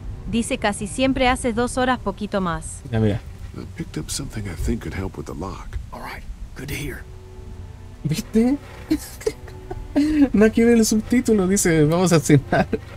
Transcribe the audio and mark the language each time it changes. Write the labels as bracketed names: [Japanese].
[Spanish] Dice casi siempre haces dos horas poquito más. Ya mira. [English] I picked up something I think could help with the lock. All right. Good here. [Spanish] ¿Viste? No aquí ve el subtítulo, dice, vamos a cenar.